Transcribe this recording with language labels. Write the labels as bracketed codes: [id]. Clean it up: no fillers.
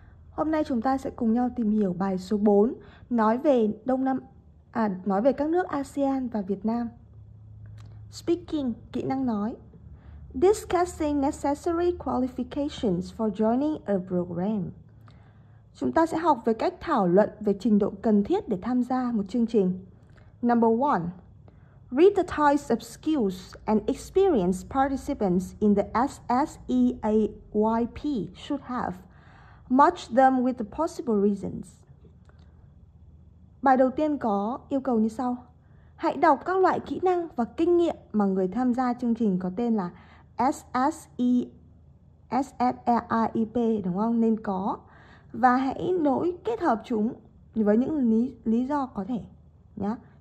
[vi] Hôm nay chúng ta sẽ cùng nhau tìm hiểu bài số 4, nói về các nước ASEAN và Việt Nam. [en] Speaking, [vi] kỹ năng nói. [en] Discussing necessary qualifications for joining a program. [vi] Chúng ta sẽ học về cách thảo luận về trình độ cần thiết để tham gia một chương trình. [en] Number 1. Read the types of skills and experience participants in the SSEAYP should have. Match them with the possible reasons. [vi] Bài đầu tiên có yêu cầu như sau. Hãy đọc các loại kỹ năng và kinh nghiệm mà người tham gia chương trình có tên là SSEAYP, đúng không? Nên có. Và hãy nối kết hợp chúng với những lý do có thể nhá.